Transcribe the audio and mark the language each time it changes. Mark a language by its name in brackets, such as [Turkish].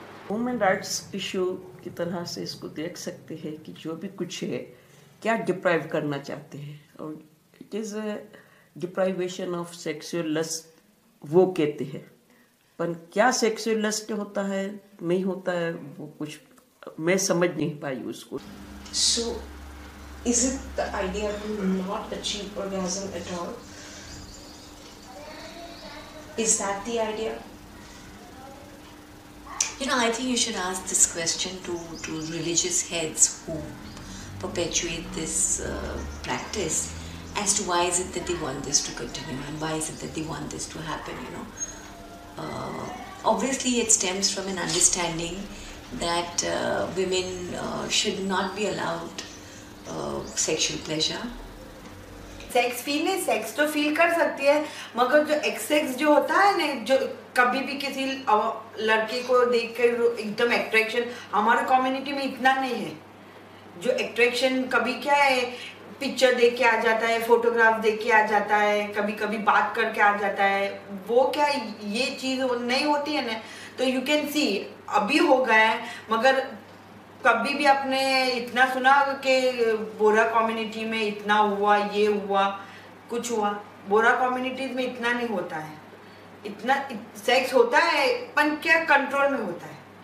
[Hindi] Women rights issue की तरह से इसको देख सकते हैं कि जो भी कुछ है क्या डिप्राइव करना चाहते हैं और [English] it is a deprivation of sexual lust [Hindi] वो कहते हैं पर क्या सेक्सुअल लस्ट होता है नहीं होता है वो कुछ मैं समझ नहीं पाई उसको [English] So is it the idea to not achieve orgasm at all is that the idea You know, I think you should ask this question to religious heads who perpetuate this practice as to why is it that they want this to continue and why is it that they want this to happen, you know. Obviously, it stems from an understanding that women should not be allowed sexual pleasure. [Hindi] Sex feel nahi, sex to feel kar sakti hai, magar jo XX jo hota hai na, jo कभी भी किसी लड़के को देख कर एकदम attraction हमारे community में इतना नहीं है जो अट्रैक्शन कभी क्या है पिक्चर देख के आ जाता है फोटोग्राफ देख के आ जाता है कभी कभी बात करके आ जाता है वो क्या ये चीज़ नहीं होती है ना तो [English] you can see [Hindi] अभी हो गया है मगर कभी भी आपने इतना सुना कि बोरा कम्युनिटी में इतना हुआ ये हुआ कुछ हुआ बोरा कम्युनिटीज में इतना नहीं होता है इतना सेक्स होता है पर क्या कंट्रोल में होता है